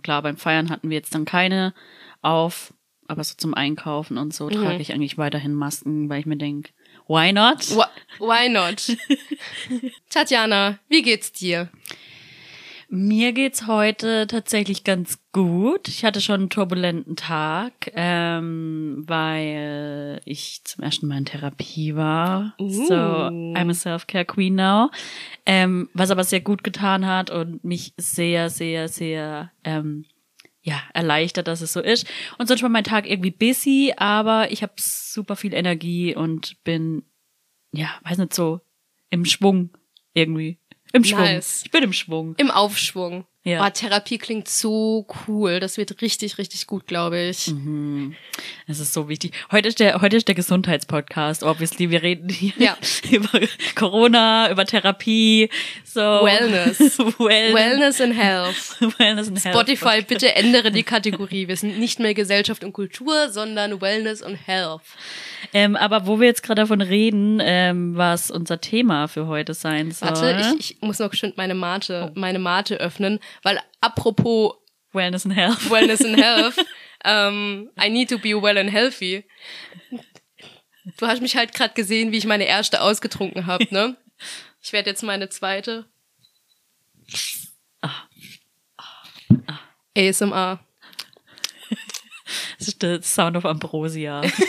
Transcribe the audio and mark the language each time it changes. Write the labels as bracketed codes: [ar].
[de] Klar, beim Feiern hatten wir jetzt dann keine auf, aber so zum Einkaufen und so trage ich eigentlich weiterhin Masken, weil ich mir denke, [en] why not? Why not? [de] Tatjana, wie geht's dir? Mir geht's heute tatsächlich ganz gut. Ich hatte schon einen turbulenten Tag, weil ich zum ersten Mal in Therapie war. [en] So, I'm a self-care queen now. [de] Was aber sehr gut getan hat und mich sehr, sehr, sehr erleichtert, dass es so ist. Und sonst war mein Tag irgendwie busy, aber ich habe super viel Energie und bin, ja, weiß nicht, so im Schwung irgendwie. Im Schwung. [en] Nice. [de] Ich bin im Schwung. Im Aufschwung. Ja. Boah, Therapie klingt so cool. Das wird richtig, richtig gut, glaube ich. Es ist so wichtig. Heute ist der Gesundheitspodcast, [en] obviously. [de] Wir reden hier über Corona, über Therapie. So. [en] Wellness and Health. [de] Spotify, bitte ändere die Kategorie. Wir sind nicht mehr Gesellschaft und Kultur, sondern Wellness und Health. Aber wo wir jetzt gerade davon reden, was unser Thema für heute sein soll. Warte, ich muss noch schön meine Mate öffnen, weil apropos [en] Wellness and Health, I need to be well and healthy. [de] Du hast mich halt gerade gesehen, wie ich meine erste ausgetrunken habe, ne? Ich werde jetzt meine zweite. ASMR. Das ist der [en] Sound of Ambrosia.